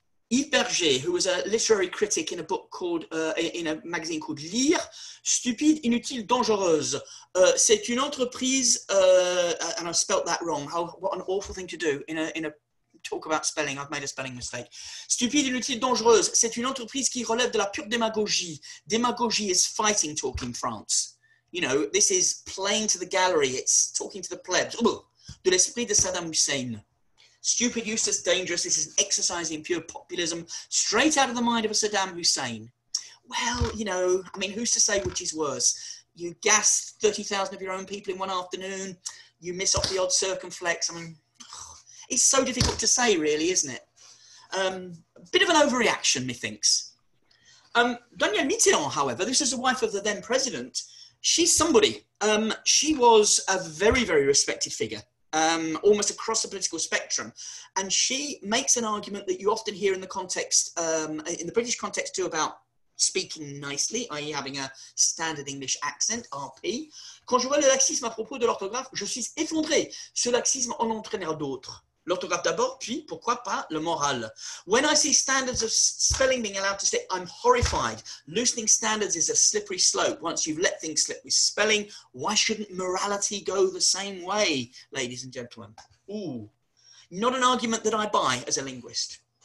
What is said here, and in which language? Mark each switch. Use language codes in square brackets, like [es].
[en] Yves Berger, who was a literary critic in a book called, in a magazine called Lire, [fr] Stupide, Inutile, Dangereuse. C'est une entreprise, [en] and I've spelt that wrong. What an awful thing to do in a talk about spelling. I've made a spelling mistake. [fr] Stupide, Inutile, Dangereuse. C'est une entreprise qui relève de la pure démagogie. [en] Démagogie is fighting talk in France. You know, this is playing to the gallery. It's talking to the plebs. Ugh. [fr] De l'esprit de Saddam Hussein. [en] Stupid, useless, dangerous. This is an exercise in pure populism, straight out of the mind of a Saddam Hussein. Well, you know, I mean, who's to say which is worse? You gas 30,000 of your own people in one afternoon, you miss off the odd circumflex. I mean, it's so difficult to say, really, isn't it? Bit of an overreaction, methinks. Danielle Mitterrand, however, this is the wife of the then president. She's somebody. She was a very, very respected figure. Almost across the political spectrum. And she makes an argument that you often hear in the context, in the British context too, about speaking nicely, i.e. having a standard English accent, RP. [fr] Quand je vois le laxisme à propos de l'orthographe, je suis effondré. Ce laxisme en entraînera d'autres. L'orthographe d'abord, puis pourquoi pas le moral. [en] When I see standards of spelling being allowed to stay, I'm horrified. Loosening standards is a slippery slope. Once you've let things slip with spelling, why shouldn't morality go the same way, ladies and gentlemen? Ooh, not an argument that I buy as a linguist.